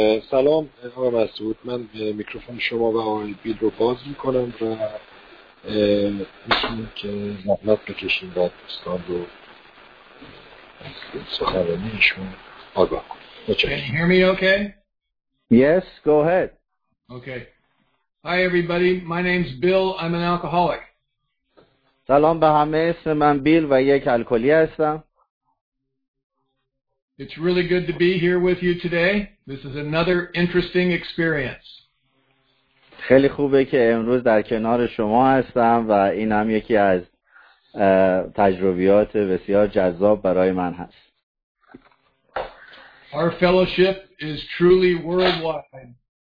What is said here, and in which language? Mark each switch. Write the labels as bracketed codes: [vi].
[fa] سلام آقای مسعود، من میکروفون شما و آقای بیل رو باز میکنم و میشونم که زحمت بکشیم با دوستان رو سخنرانی ایشون آگاه کنیم. [en] Can you hear me okay? Yes, go ahead. Okay. Hi everybody, my name's Bill, I'm an alcoholic. [fa] سلام به همه، اسم من بیل و یک الکلی هستم. [en] It's really good to be here with you today. This is another interesting experience. [fa] خیلی خوبه که امروز در کنار شما هستم و اینم یکی از تجربیات بسیار جذاب برای من هست. [en] Our fellowship is truly worldwide.